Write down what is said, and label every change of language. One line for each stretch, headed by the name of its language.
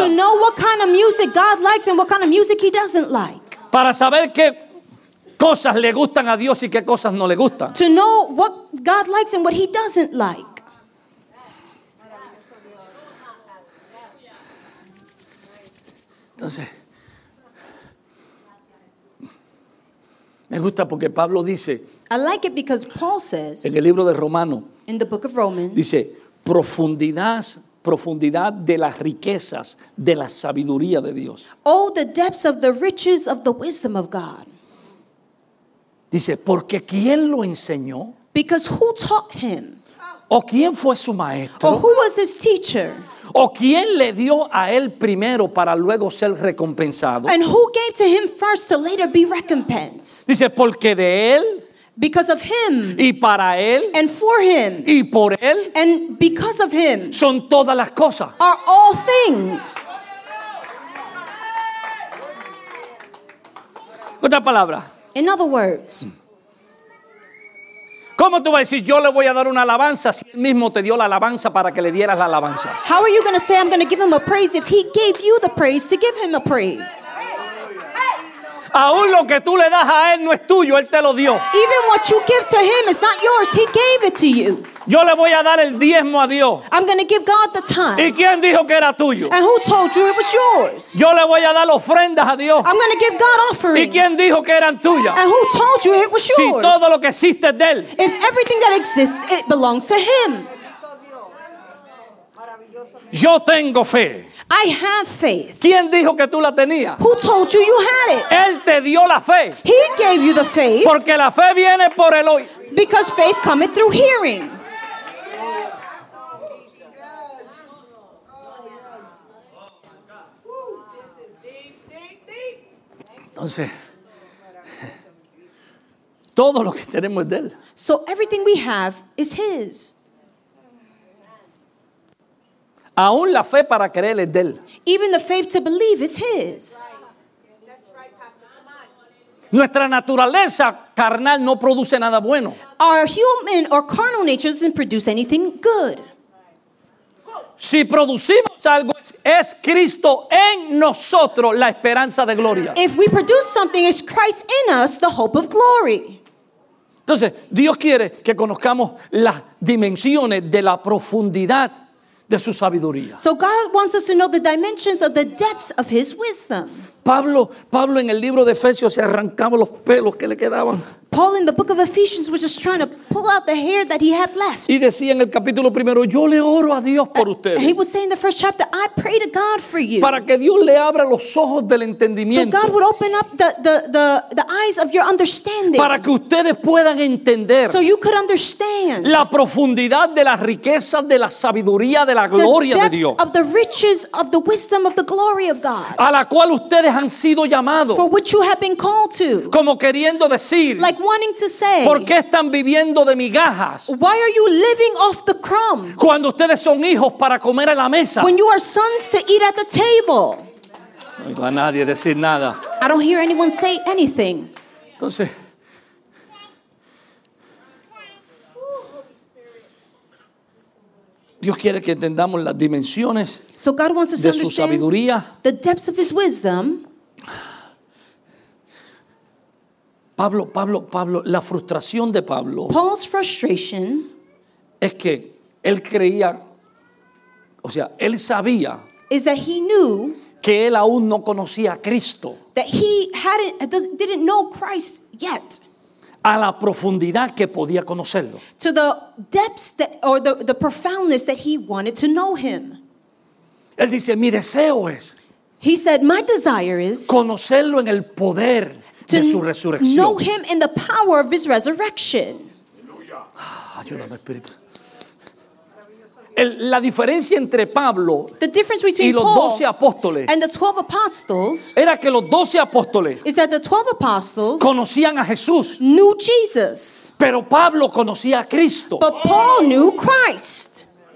English: To know what kind of music God likes and what kind of music he doesn't like.
Spanish: Para saber qué cosas le gustan a Dios y qué cosas no le gustan.
English: To know what God likes and what he doesn't like.
Spanish: Entonces, me gusta porque Pablo dice,
English: I like it because Paul says,
Spanish: en el libro de Romanos,
English: in the book of Romans,
Spanish: dice, profundidad de las riquezas de la sabiduría de Dios.
English: Oh, the depths of the riches of the wisdom of God.
Spanish: Dice, porque ¿quién lo enseñó?
English: Because who taught him?
Spanish: ¿O quién fue su maestro?
English: Or who was his teacher?
Spanish: ¿O quién le dio a él primero para luego ser recompensado?
English: And who gave to him first to later be recompensed?
Spanish: Dice, porque de él.
English: Because of him.
Spanish: Y para él.
English: And for him.
Spanish: Y por él.
English: And because of him.
Spanish: Son todas las cosas.
English: Are all things.
Spanish: Otra palabra.
English: In other words.
Spanish: ¿Cómo tú vas a decir yo le voy a dar una alabanza si él mismo te dio la alabanza para que le dieras la alabanza?
English: How are you going to say I'm going to give him a praise if he gave you the praise to give him a praise?
Spanish: Aún lo que tú le das a él no es tuyo, él te lo dio.
English: Even what you give to him is not yours, he gave it to you.
Spanish: Yo le voy a dar el diezmo a Dios.
English: I'm going to give God the tithe.
Spanish: ¿Y quién dijo que era tuyo?
English: And who told you it was yours?
Spanish: Yo le voy a dar ofrendas a Dios.
English: I'm going to give God offerings.
Spanish: ¿Y quién dijo que eran tuyas?
English: And who told you it was yours?
Spanish: Si todo lo que existe es de él.
English: If everything that exists, it belongs to him.
Spanish: Yo tengo fe.
English: I have faith.
Spanish: ¿Quién dijo que tú la tenías?
English: Who told you you had it?
Spanish: Él te dio la fe.
English: He gave you the faith.
Spanish: Porque la fe viene por el oír.
English: Because faith cometh through hearing.
Spanish: Entonces, todo lo que tenemos es de él.
English: So everything we have is his.
Spanish: Aún la fe para creer es de él.
English: Even the faith to believe is his.
Spanish: Nuestra naturaleza carnal no produce nada bueno.
English: Our human or carnal nature doesn't produce anything good.
Spanish: Si producimos algo, es Cristo en nosotros la esperanza de gloria.
English: If we produce something, it's Christ in us, the hope of glory.
Spanish: Entonces, Dios quiere que conozcamos las dimensiones de la profundidad de su sabiduría.
English: So God wants us to know the dimensions of the depths of his wisdom.
Spanish: Pablo en el libro de Efesios se arrancaba los pelos que le quedaban.
English: Paul in the book of Ephesians was just trying to pull out the hair that he had left.
Spanish: Y decía en el capítulo primero, yo le oro a Dios por ustedes.
English: He was saying in the first chapter, I pray to God for you.
Spanish: Para que Dios le abra los ojos del entendimiento.
English: So God would open up the eyes of your understanding.
Spanish: Para que ustedes puedan entender.
English: So you could understand.
Spanish: La profundidad de las riquezas de la sabiduría de la gloria de Dios.
English: The depths of the riches of the wisdom of the glory of God.
Spanish: A la cual ustedes han sido llamados.
English: For which you have been called to.
Spanish: Como queriendo decir.
English: Like wanting to say,
Spanish: ¿por qué están viviendo de migajas?
English: Why are you living off the crumbs?
Spanish: Cuando ustedes son hijos para comer a la mesa.
English: When you are sons to eat at the table.
Spanish: No oigo a nadie decir nada.
English: I don't hear anyone say anything.
Spanish: Entonces, Dios quiere que entendamos las dimensiones de su sabiduría.
English: The depths of his wisdom.
Spanish: Pablo, la frustración de Pablo.
English: Paul's frustration.
Spanish: Es que él creía, o sea, él sabía.
English: Is that he knew.
Spanish: que él aún no conocía a Cristo.
English: That he didn't know Christ yet.
Spanish: A la profundidad que podía conocerlo.
English: To the depths that, or the profoundness that he wanted to know him.
Spanish: Él dice, mi deseo es.
English: He said, my desire is.
Spanish: Conocerlo en el poder de su resurrección.
English: To know him in the power of his resurrection.
Spanish: Ayúdame, Espíritu. La diferencia entre Pablo y los 12 apóstoles era que los 12 apóstoles conocían a Jesús,
English: knew Jesus,
Spanish: pero Pablo conocía a Cristo.
English: But Paul knew Christ.